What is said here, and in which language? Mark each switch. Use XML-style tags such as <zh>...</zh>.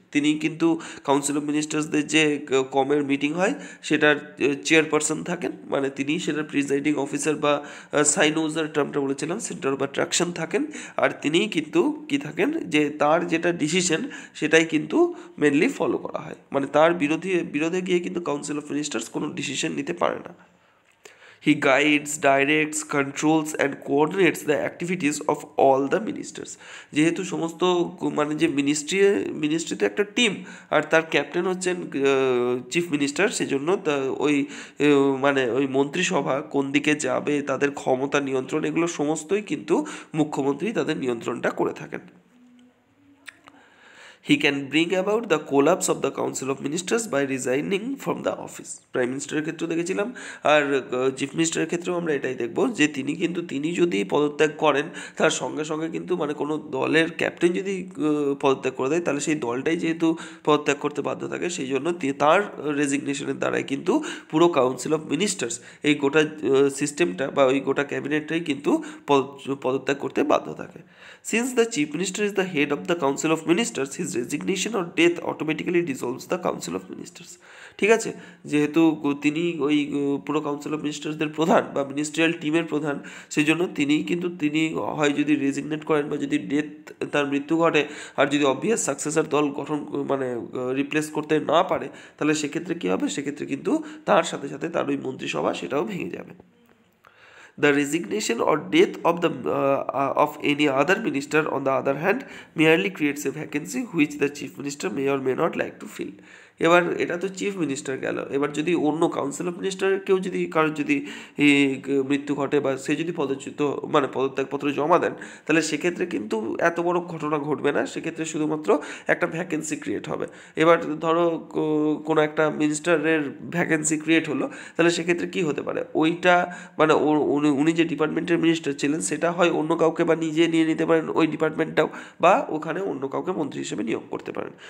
<bn>তিনি কিন্তু council of মিনিস্টার্সদের যে কমের মিটিং হয় সেটার চেয়ারপারসন থাকেন, মানে তিনি সেটার প্রিজাইডিং অফিসার বা সাইনোজার টার্মটা বলেছিলাম, সেন্টার অফ অ্যাট্রাকশন থাকেন, আর তিনি কিন্তু কি থাকেন যে তার যেটা ডিসিশন সেটাই কিন্তু মেনলি ফলো করা হয়, মানে তার বিরোধে গিয়ে কিন্তু কাউন্সিল অফ মিনিস্টার্স কোনো ডিসিশন নিতে পারে না।</bn> <en>He guides, directs, controls and coordinates the activities of all the ministers.</en> <bn>যেহেতু সমস্ত মানে যে ministry তো একটা টিম, আর তার ক্যাপ্টেন হচ্ছেন চিফ মিনিস্টার, সেজন্য ওই মানে ওই মন্ত্রিসভা কোন দিকে যাবে, তাদের ক্ষমতা নিয়ন্ত্রণ, এগুলো সমস্তই কিন্তু মুখ্যমন্ত্রী তাদের নিয়ন্ত্রণটা করে থাকেন।</bn> <en>He can bring about the collapse of the Council of Ministers by resigning from the office.</en> <bn>Prime Minister ক্ষেত্রে দেখেছিলাম, আর চিফ মিনিস্টারের ক্ষেত্রেও আমরা এটাই দেখবো যে তিনি যদি পদত্যাগ করেন তার সঙ্গে সঙ্গে কিন্তু মানে কোনো দলের ক্যাপ্টেন যদি পদত্যাগ করে দেয় তাহলে সেই দলটাই যেহেতু পদত্যাগ করতে বাধ্য থাকে, সেই জন্য তার রেজিগনেশনের দ্বারাই কিন্তু পুরো কাউন্সিল অফ মিনিস্টার্স এই গোটা সিস্টেমটা বা ওই গোটা ক্যাবিনেটটাই কিন্তু পদত্যাগ করতে বাধ্য থাকে।</bn> <en>Since the chief minister is the head of the council of ministers, his resignation or death automatically dissolves the council of ministers.</en> <bn>ঠিক আছে, যেহেতু তিনি ওই পুরো কাউন্সিল অফ মিনিস্টার্সদের প্রধান বা মিনিস্ট্রিয়াল টিমের প্রধান, সেই জন্য তিনি হয় যদি রেজিগনেট করেন বা যদি ডেথ তার মৃত্যু ঘটে, আর যদি অবভিয়াস সাকসেসার দল গঠন মানে রিপ্লেস করতে না পারে তাহলে সেক্ষেত্রে কী হবে, সেক্ষেত্রে কিন্তু তার সাথে সাথে তার ওই মন্ত্রিসভা সেটাও ভেঙে যাবে।</bn> <en>The resignation or death of the of any other minister on the other hand merely creates a vacancy which the chief minister may or may not like to fill.</en> <bn>এবার এটা তো চিফ মিনিস্টার গেল, এবার যদি অন্য council of minister কেউ যদি কারোর যদি মৃত্যু ঘটে বা সে যদি পদচ্যুত মানে পদত্যাগপত্র জমা দেন তাহলে সেক্ষেত্রে কিন্তু এত বড় ঘটনা ঘটবে না, সেক্ষেত্রে শুধুমাত্র একটা ভ্যাকেন্সি ক্রিয়েট হবে। এবার ধরো কোনো একটা মিনিস্টারের ভ্যাকেন্সি ক্রিয়েট হলো, তাহলে সেক্ষেত্রে কী হতে পারে, ওইটা মানে উনি যে ডিপার্টমেন্টের মিনিস্টার ছিলেন সেটা হয় অন্য কাউকে বা নিজে নিয়ে নিতে পারেন ওই ডিপার্টমেন্টটাও, বা ওখানে অন্য কাউকে মন্ত্রী হিসেবে নিয়োগ করতে পারেন।</bn>